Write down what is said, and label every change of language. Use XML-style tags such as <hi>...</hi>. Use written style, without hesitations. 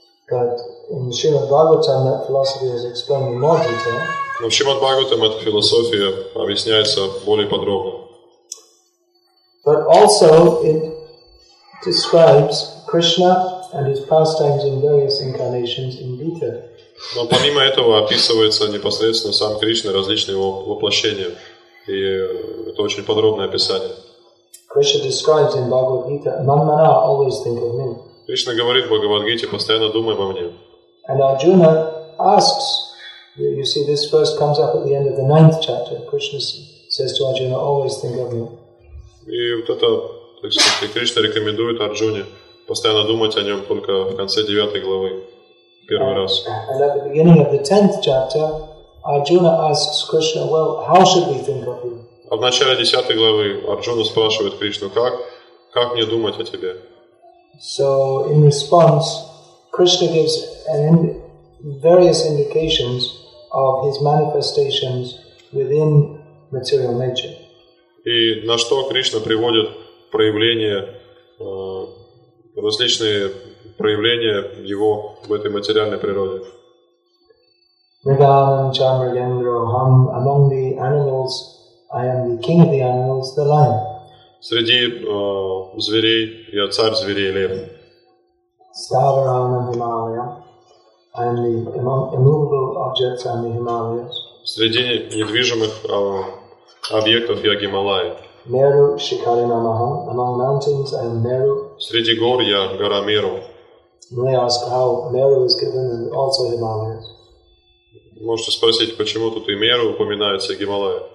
<en>But in Śrīmad-Bhāgavatam that philosophy is explained in more detail.</en> <ru>Но в Śrīmad-Bhāgavatam эта философия объясняется более подробно.</ru> <en>But also it describes Krishna and his pastimes in various incarnations in detail.</en> <ru>Но помимо этого описывается непосредственно сам Кришна, различные его воплощения. И это очень подробное описание.</ru> <en>Krishna describes in Bhagavad-gita, Manmana, always think of me.</en> <ru>Кришна говорит в Бхагавад-гите, постоянно думай обо мне.</ru> <en>And Arjuna asks, you see this first comes up at the end of the ninth chapter. Krishna says to Arjuna, always think of me.</en> <ru>И вот это, то есть, Кришна рекомендует Арджуне постоянно думать о нем только в конце 9 главы, первый раз.</ru> <en>And at the beginning of the 10th chapter, Arjuna asks Krishna, well, how should we think of you?</en> <ru>А в начале 10 главы Арджуна спрашивает Кришну, как мне думать о тебе?</ru> <en>So, in response, Krishna gives various indications of his manifestations within material nature.</en> <ru>И на что Кришна приводит проявления, различные проявления его в этой материальной природе.</ru> <sa>Мриганам Чамрагендра Ахам,</sa> <en>among the animals, I am the king of the animals, the lion.</en> <ru>Среди зверей я царь зверей лев.</ru> <sa>Ставаранам Хималаям,</sa> <en>I am the immovable objects, I am the Himalayas.</en> <ru>Среди недвижимых объектов я Гималай.</ru> <sa>Меру Шикаринамаха,</sa> <en>among mountains I am Меру.</en> <ru>Среди гор я гора Меру.</ru> <en>May I ask how Meru is given and also Himalayas?</en> <ru>Можете спросить, почему тут и Меру упоминается, и Гималай?</ru>